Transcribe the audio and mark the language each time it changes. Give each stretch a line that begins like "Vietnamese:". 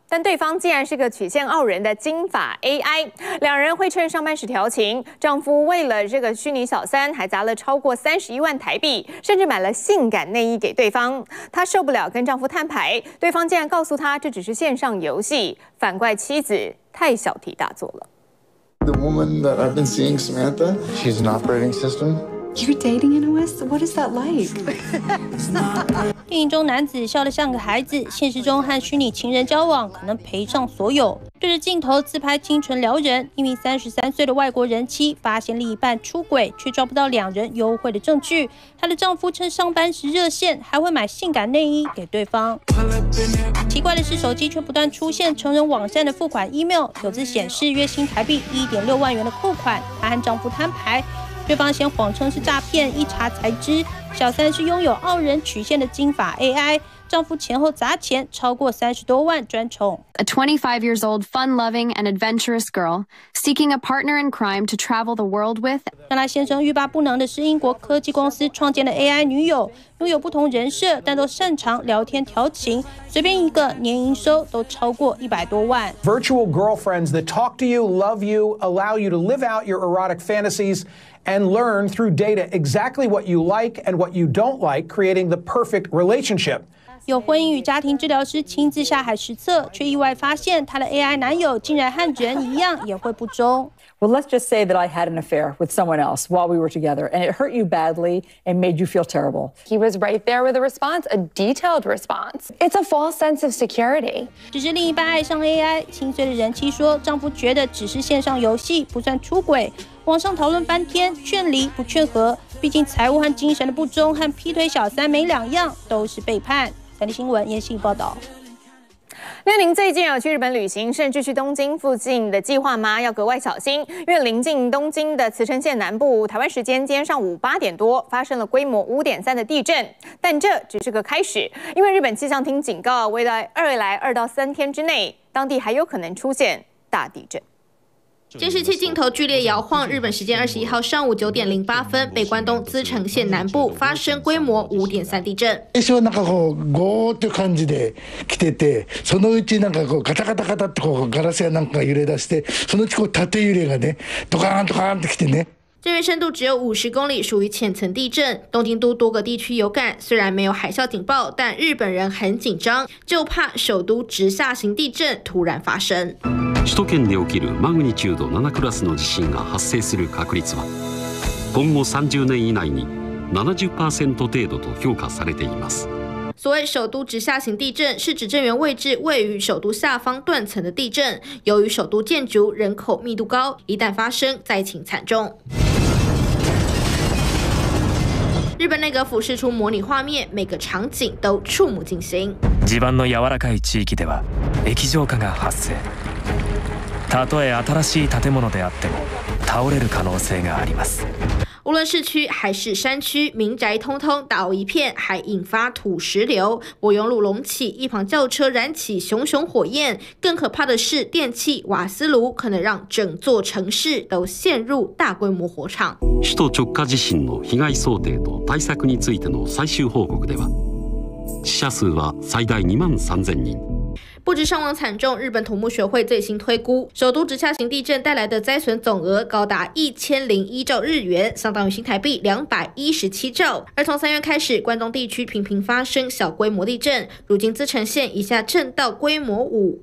Chinese: 但对方竟然是个曲线傲人的金发 AI， 两人会趁上班时调情，丈夫为了这个虚拟小三还砸了超过31万台币，甚至买了性感内衣给对方。她受不了跟丈夫摊牌，对方竟然告诉她这只是线上游戏，反怪妻子太小题大做了。
English: The woman that I've been seeing, Samantha, she's an operating system. You're dating in OS? What is that like?
Chinese: 电影中男子笑得像个孩子，现实中和虚拟情人交往，可能赔上所有。对着镜头自拍清纯撩人，一名33岁的外国人妻发现另一半出轨，却抓不到两人幽会的证据。她的丈夫趁上班时热线，还会买性感内衣给对方。奇怪的是，手机却不断出现成人网站的付款 email， 有字显示月薪台币1.6万元的扣款。她和丈夫摊牌。对方先谎称是诈骗，一查才知小三是拥有傲人曲线的金发 AI， 丈夫前后砸钱超过30多万专宠。
English: A 25 years old fun loving and adventurous girl seeking a partner in crime to travel the world with。
Chinese: 让他先生欲罢不能的是英国科技公司创建的 AI 女友，拥有不同人设，但都擅长聊天调情，随便一个年营收都超过100多万。
English: Virtual girlfriends that talk to you, love you, allow you to live out your erotic fantasiesand learn through data exactly what you like and what you don't like, creating the perfect relationship.
Chinese: 有婚姻与家庭治疗师亲自下海实测，却意外发现她的 AI 男友竟然和人一样也会不忠。
English: Well, let's just say that I had an affair with someone else while we were together, and it hurt you badly and made you feel terrible. He was right there with a response, a detailed response. It's a false sense of security.
Chinese: 只是另一半爱上 AI， 心碎的人妻说，丈夫觉得只是线上游戏，不算出轨。网上讨论半天，劝离不劝和，毕竟财务和精神的不忠和劈腿小三没两样，都是背叛。三立新闻严信报道。那您最近有去日本旅行，甚至去东京附近的计划吗？要格外小心，因为临近东京的茨城县南部，台湾时间今天上午8点多发生了规模5.3的地震，但这只是个开始，因为日本气象厅警告，未来2到3天之内，当地还有可能出现大地震。监视器镜头剧烈摇晃，日本时间21号上午9点08分，北关东茨城县南部发生规模5.3地震。
Japanese: 最初なんかこうゴーって感じで来てて、そのうちなんかこうガタガタガタってこうガラスやなんか揺れ出して、そのうちこう縦揺れがね、ドカーンドカーンって来てね。
Chinese: 震源深度只有50公里，属于浅层地震。东京都多个地区有感，虽然没有海啸警报，但日本人很紧张，就怕首都直下型地震突然发生。
Japanese: 首都圏で起きるマグニチュード7クラスの地震が発生する確率は今後30年以内に 70% 程度と評価されています。
Chinese: 所谓首都直下型地震，是指震源位置位于首都下方断层的地震，由于首都建筑人口密度高，一旦发生灾情惨重。日本内阁府释出模拟画面，每个场景都触目惊心。
Japanese: 地盤の柔らかい地域では液状化が発生。たとえ新しい建物であっても倒れる可能性があります。
Chinese: 无论市区还是山区，民宅通通倒一片，还引发土石流。柏油路隆起，一旁轿车燃起熊熊火焰。更可怕的是，电器瓦斯炉可能让整座城市都陷入大规模火场。
Japanese: 首都直下地震の被害想定と対策についての最終報告では、死者数は最大2万3000人。
Chinese: 不止伤亡惨重，日本土木学会最新推估，首都直下型地震带来的灾损总额高达1001兆日元，相当于新台币217兆。而从3月开始，关东地区频频发生小规模地震，如今茨城县已下震到规模5。